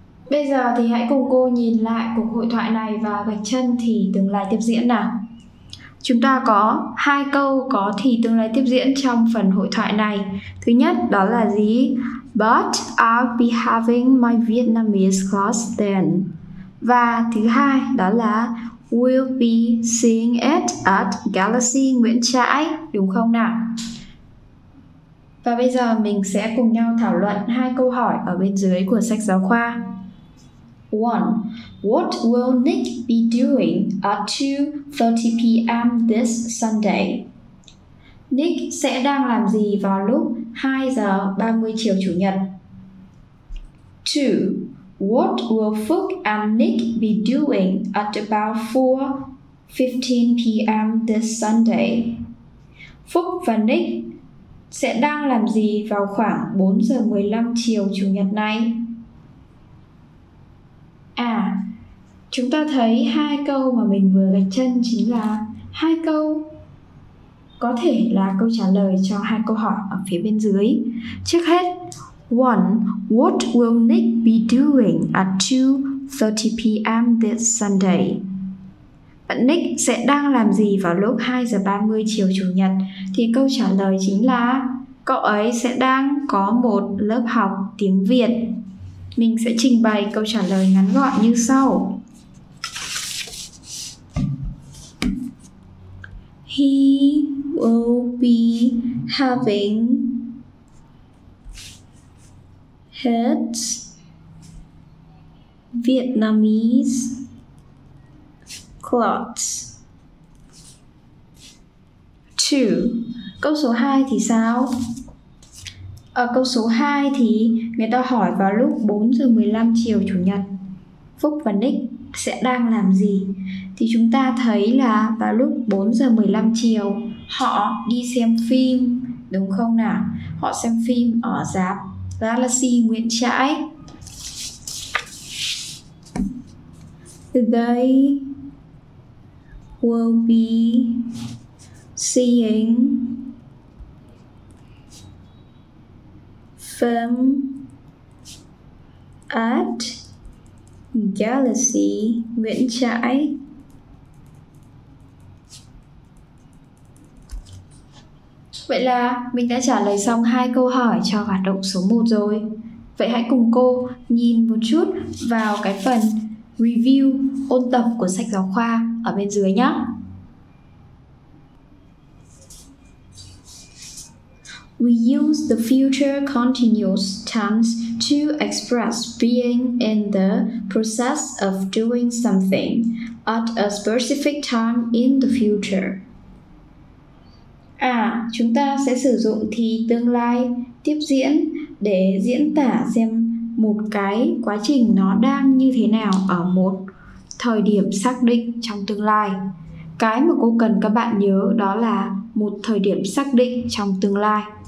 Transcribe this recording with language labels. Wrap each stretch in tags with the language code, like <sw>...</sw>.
<vi>Bây giờ thì hãy cùng cô nhìn lại cuộc hội thoại này và gạch chân thì tương lai tiếp diễn nào. Chúng ta có hai câu có thì tương lai tiếp diễn trong phần hội thoại này. Thứ nhất đó là gì?</vi> <en>But I'll be having my Vietnamese class then.</en> <vi>Và thứ hai đó là</vi> <en>we'll be seeing it at Galaxy Nguyễn Trãi,</en> <vi>đúng không nào? Và bây giờ mình sẽ cùng nhau thảo luận hai câu hỏi ở bên dưới của sách giáo khoa. 1.</vi> <en>What will Nick be doing at 2:30 p.m. this Sunday?</en> <vi>Nick sẽ đang làm gì vào lúc 2:30 chiều chủ nhật? 2.</vi> <en>What will Phúc and Nick be doing at about 4:15 p.m. this Sunday?</en> <vi>Phúc và Nick sẽ đang làm gì vào khoảng 4:15 chiều chủ nhật này? À, chúng ta thấy hai câu mà mình vừa gạch chân chính là hai câu có thể là câu trả lời cho hai câu hỏi ở phía bên dưới. Trước hết, 1.</vi> <en>What will Nick be doing at 2:30 p.m. this Sunday?</en> <vi>Nick sẽ đang làm gì vào lúc 2:30 chiều chủ nhật? Thì câu trả lời chính là cậu ấy sẽ đang có một lớp học tiếng Việt. Mình sẽ trình bày câu trả lời ngắn gọn như sau.</vi> <en>He will be having his Vietnamese clothes.</en> <vi>2. Câu số 2 thì sao? Ở câu số 2 thì người ta hỏi vào lúc 4 giờ 15 chiều chủ nhật, Phúc và Nick sẽ đang làm gì? Thì chúng ta thấy là vào lúc 4 giờ 15 chiều họ đi xem phim, đúng không nào? Họ xem phim ở rạp Galaxy Nguyễn Trãi. They will be seeing film at Galaxy Nguyễn Trãi. Vậy là mình đã trả lời xong hai câu hỏi cho hoạt động số 1 rồi. Vậy hãy cùng cô nhìn một chút vào cái phần review ôn tập của sách giáo khoa ở bên dưới nhé.</vi> <en>We use the future continuous tense to express being in the process of doing something at a specific time in the future.</en> <vi>À, chúng ta sẽ sử dụng thì tương lai tiếp diễn để diễn tả xem một cái quá trình nó đang như thế nào ở một thời điểm xác định trong tương lai. Cái mà cô cần các bạn nhớ đó là một thời điểm xác định trong tương lai.</vi>